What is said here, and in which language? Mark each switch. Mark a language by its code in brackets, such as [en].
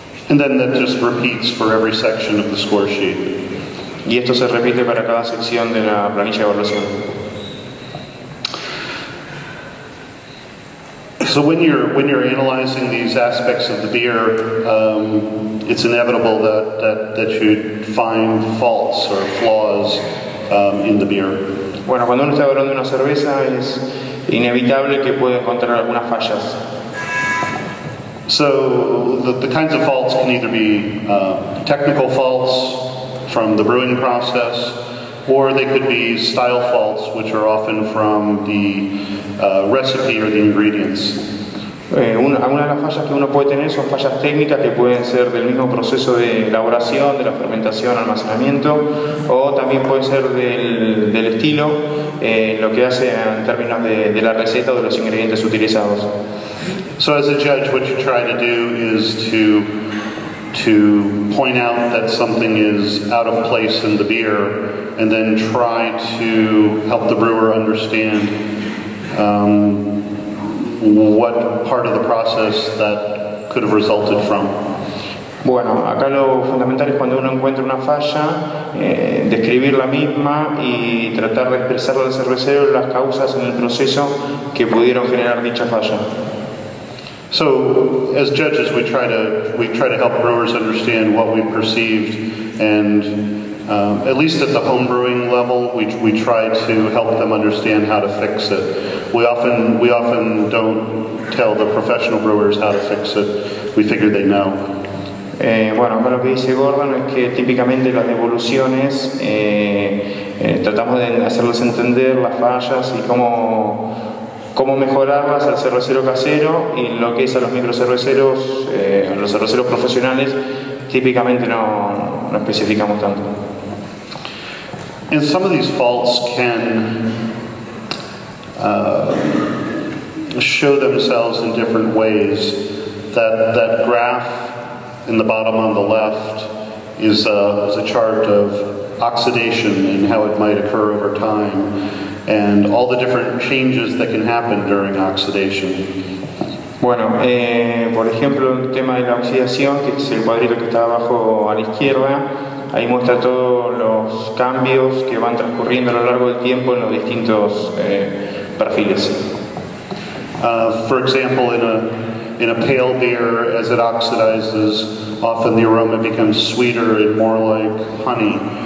[en] And then that just repeats for every section of the score sheet. [es] Y esto se repite para cada sección de la planilla de evaluación. [en] So when you're analyzing these aspects of the beer, it's inevitable that you'd find faults or flaws in the beer. [es] Bueno, cuando uno está evaluando una cerveza, es inevitable que pueda encontrar algunas fallas. [en] So the kinds of faults can either be technical faults from the brewing process, or they could be style faults, which are often from the recipe or the ingredients. [es] Algunas de las fallas que uno puede tener son fallas técnicas que pueden ser del mismo proceso de elaboración, de la fermentación, almacenamiento, o también puede ser del estilo, lo que hace en términos de la receta o de los ingredientes utilizados. [en] So as a judge, what you try to do is to point out that something is out of place in the beer, and then try to help the brewer understand what part of the process that could have resulted from. [es] Bueno, acá lo fundamental es cuando uno encuentra una falla, describir la misma y tratar de expresar al cervecero las causas en el proceso que pudieron generar dicha falla. [en] So, as judges, we try to help brewers understand what we perceived, and at least at the home brewing level, we try to help them understand how to fix it. We often don't tell the professional brewers how to fix it. We figure they know. [es] Bueno, lo que dice Gordon es que típicamente las devoluciones tratamos de hacerles entender las fallas y cómo mejorarlas al cervecero casero, y lo que es a los microcerveceros, los cerveceros profesionales, típicamente no especificamos tanto. [en] And some of these faults can show themselves in different ways. That graph in the bottom on the left is a chart of oxidation and how it might occur over time, and all the different changes that can happen during oxidation. [es] Bueno, por ejemplo, el tema de la oxidación, que es el cuadrito que está abajo a la izquierda, ahí muestra todos los cambios que van transcurriendo a lo largo del tiempo en los distintos perfiles. [en] For example, in a pale beer, as it oxidizes, often the aroma becomes sweeter and more like honey.